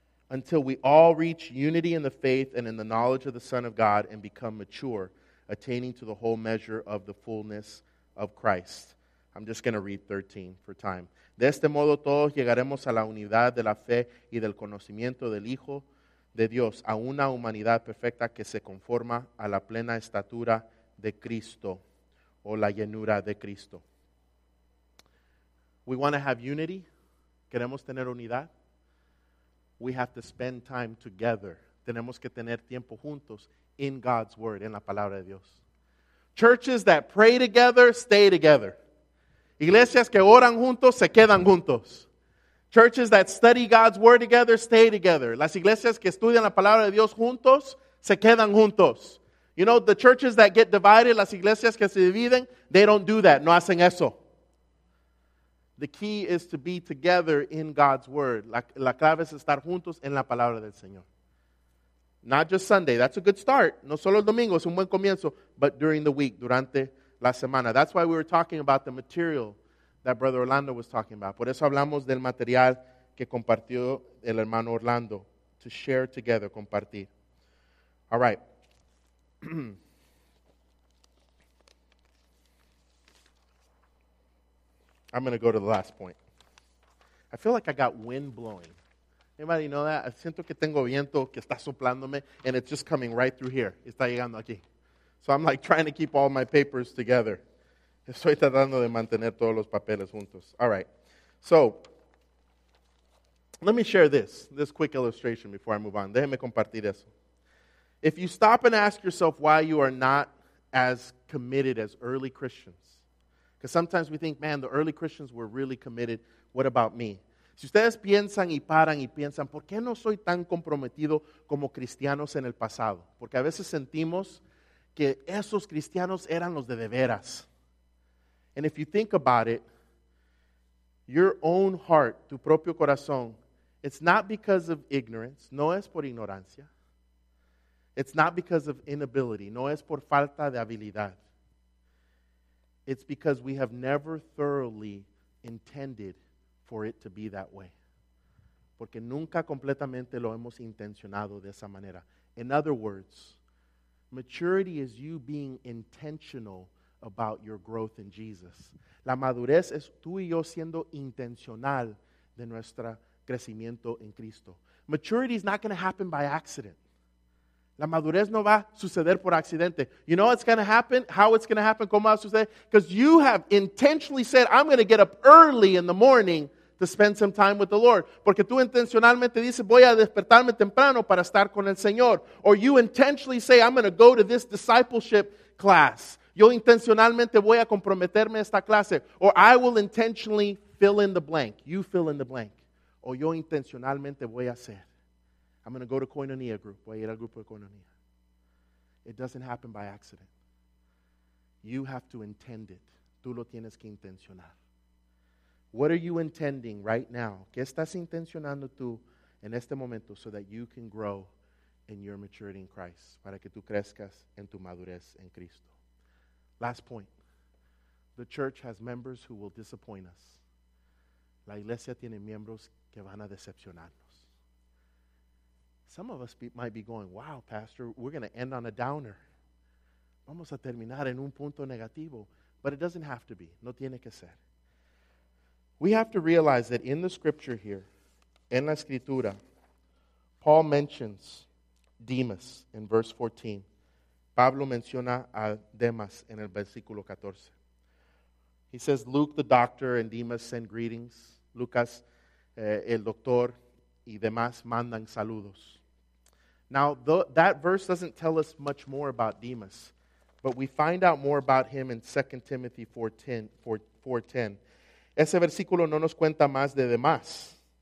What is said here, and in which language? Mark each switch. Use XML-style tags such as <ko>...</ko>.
<en>Until we all reach unity in the faith and in the knowledge of the Son of God and become mature, attaining to the whole measure of the fullness of Christ. I'm just going to read 13 for time.</en> <es>De este modo todos llegaremos a la unidad de la fe y del conocimiento del Hijo de Dios, a una humanidad perfecta que se conforma a la plena estatura de Cristo, o la llenura de Cristo.</es> <en>We want to have unity.</en> <es>Queremos tener unidad.</es> <en>We have to spend time together.</en> <es>Tenemos que tener tiempo juntos</es> <en>in God's Word,</en> <es>en la Palabra de Dios.</es> <en>Churches that pray together, stay together.</en> <es>Iglesias que oran juntos, se quedan juntos.</es> <en>Churches that study God's Word together, stay together.</en> <es>Las iglesias que estudian la Palabra de Dios juntos, se quedan juntos.</es> <en>You know, the churches that get divided,</en> <es>las iglesias que se dividen,</es> <en>they don't do that.</en> <es>No hacen eso.</es> <en>The key is to be together in God's Word.</en> <es>La clave es estar juntos en la Palabra del Señor.</es> <en>Not just Sunday. That's a good start.</en> <es>No solo el domingo, es un buen comienzo.</es> <en>But during the week,</en> <es>durante la semana.</es> <en>That's why we were talking about the material that Brother Orlando was talking about.</en> <es>Por eso hablamos del material que compartió el hermano Orlando.</es> <en>To share together, compartir. All right. I'm going to go to the last point. I feel like I got wind blowing. Anybody know that? I</en> <es>siento que tengo viento que está soplándome,</es> <en>and it's just coming right through here.</en> <es>Está llegando aquí.</es> <en>So I'm like trying to keep all my papers together.</en> <es>Estoy tratando de mantener todos los papeles juntos.</es> <en>All right. So, let me share this quick illustration before I move on.</en> <es>Déjeme compartir eso.</es> <en>If you stop and ask yourself why you are not as committed as early Christians, because sometimes we think, man, the early Christians were really committed. What about me?</en> <es>Si ustedes piensan y paran y piensan, ¿por qué no soy tan comprometido como cristianos en el pasado? Porque a veces sentimos que esos cristianos eran los de veras.</es> <en>And if you think about it, your own heart,</en> <es>tu propio corazón,</es> <en>it's not because of ignorance,</en> <es>no es por ignorancia.</es> <en>It's not because of inability,</en> <es>no es por falta de habilidad.</es> <en>It's because we have never thoroughly intended for it to be that way.</en> <es>Porque nunca completamente lo hemos intencionado de esa manera.</es> <en>In other words, maturity is you being intentional about your growth in Jesus.</en> <es>La madurez es tú y yo siendo intencional de nuestro crecimiento en Cristo.</es> <en>Maturity is not going to happen by accident.</en> <es>La madurez no va a suceder por accidente.</es> <en>You know what's going to happen?</en> <es>How it's going to happen? ¿Cómo va a suceder?</es> <en>Because you have intentionally said, I'm going to get up early in the morning to spend some time with the Lord.</en> <es>Porque tú intencionalmente dices, voy a despertarme temprano para estar con el Señor.</es> <en>Or you intentionally say, I'm going to go to this discipleship class.</en> <es>Yo intencionalmente voy a comprometerme a esta clase.</es> <en>Or I will intentionally fill in the blank. You fill in the blank.</en> <es>o yo intencionalmente voy a hacer.</es> <en>I'm going to go to Koinonia group.</en> <es>Voy a ir al grupo de Koinonia.</es> <en>It doesn't happen by accident. You have to intend it.</en> <es>Tú lo tienes que intencionar.</es> <en>What are you intending right now?</en> <es>¿Qué estás intencionando tú en este momento</es> <en>so that you can grow in your maturity in Christ?</en> <es>Para que tú crezcas en tu madurez en Cristo.</es> <en>Last point. The church has members who will disappoint us.</en> <es>La iglesia tiene miembros que van a decepcionarnos.</es> <en>Some of us might be going, wow, pastor, we're going to end on a downer.</en> <es>Vamos a terminar en un punto negativo.</es> <en>But it doesn't have to be.</en> <es>No tiene que ser.</es> <en>We have to realize that in the scripture here,</en> <es>en la escritura,</es> <en>Paul mentions Demas in verse 14.</en> <es>Pablo menciona a Demas en el versículo 14.</es> <en>He says, Luke the doctor and Demas send greetings.</en> <es>Lucas, el doctor, y demás mandan saludos.</es> <en>Now, that verse doesn't tell us much more about Demas, but we find out more about him in 2 Timothy 4:10.</en> <es>Ese versículo no nos cuenta más de Demas.</es>